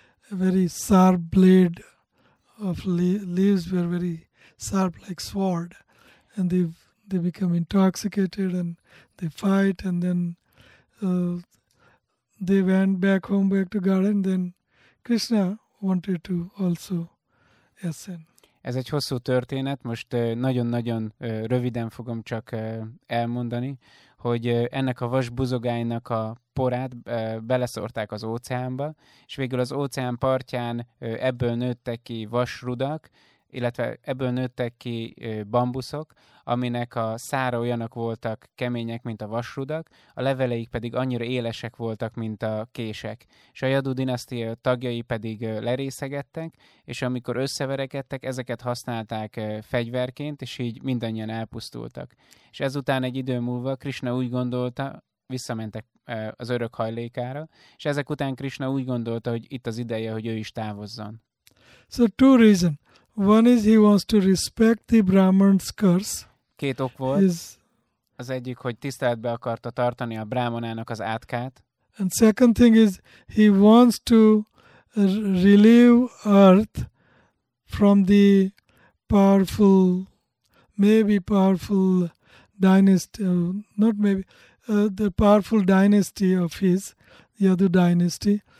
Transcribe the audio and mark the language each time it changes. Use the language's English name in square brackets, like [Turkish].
[English] A very sharp blade of leaves were very sharp like sword, and they become intoxicated and they fight, and then they went back home, back to garden. Then Krishna wanted to also ascend. [Hungarian] Ez egy hosszú történet, most nagyon-nagyon röviden fogom csak elmondani, hogy ennek a vasbuzogánynak a porát beleszórták az óceánba, és végül az óceán partján ebből nőttek ki vasrudak, illetve ebből nőttek ki bambuszok, aminek a szára olyanok voltak kemények, mint a vasrudak, a leveleik pedig annyira élesek voltak, mint a kések. És a Yadu dinasztia tagjai pedig lerészegettek, és amikor összeverekedtek, ezeket használták fegyverként, és így mindannyian elpusztultak. És ezután egy idő múlva Krishna úgy gondolta, visszamentek az örök hajlékára, és ezek után Krishna úgy gondolta, hogy itt az ideje, hogy ő is távozzon. [English] So two reasons. One is he wants to respect the Brahman's curse. [Hungarian] Két ok volt. Az egyik, hogy tiszteletbe akarta tartani a brámanának az átkát. [English] And second thing is he wants to relieve earth from the powerful, maybe powerful dynasty, not maybe, the powerful dynasty of his, Yadu dynasty.